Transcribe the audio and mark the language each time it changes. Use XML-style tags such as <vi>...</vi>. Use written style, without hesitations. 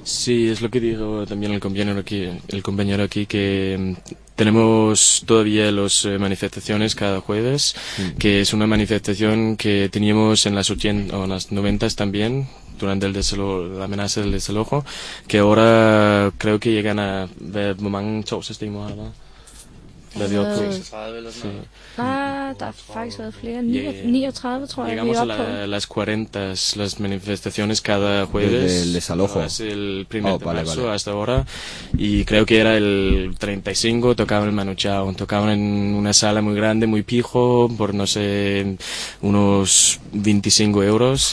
<es>Sí, es lo que dijo también el compañero aquí que tenemos todavía las manifestaciones cada jueves, que es una manifestación que teníamos en las 80 o en las 90 también, durante el desalojo, la amenaza del desalojo, que ahora creo que llegan a ver Momán Chos, este imóvel.</es> <da>Der vi oppe. Ah, der har faktisk været flere. 39, tror jeg, vi er oppe.</da> <es>Las 40, las manifestaciones cada jueves. El desalojo. Es el primer de marzo hasta ahora. Y creo que era el 35, tocaban el Manu Chao. Tocaban en una sala muy grande, muy pijo, por no sé, unos 25 euros.</es>